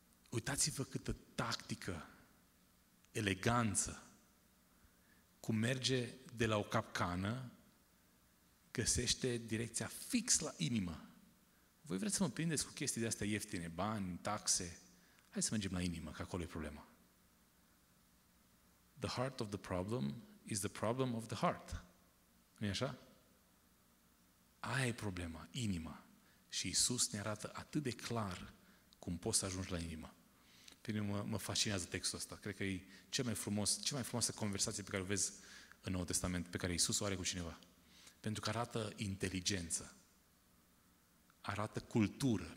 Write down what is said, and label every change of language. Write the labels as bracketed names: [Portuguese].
[Romanian] Uitați-vă câtă tactică, eleganță, cum merge de la o capcană, găsește direcția fix la inimă. Voi vreți să mă prindeți cu chestii de astea ieftine, bani, taxe? Hai să mergem la inimă, că acolo e problema. [English] The heart of the problem is the problem of the heart. [Romanian] Nu-i așa? Aia e problema, inima. Și Iisus ne arată atât de clar cum poți să ajungi la inimă. Pe mine mă fascinează textul ăsta. Cred că e cea mai frumoasă conversație pe care o vezi în Noul Testament, pe care Iisus o are cu cineva. Pentru că arată inteligență. Arată cultură.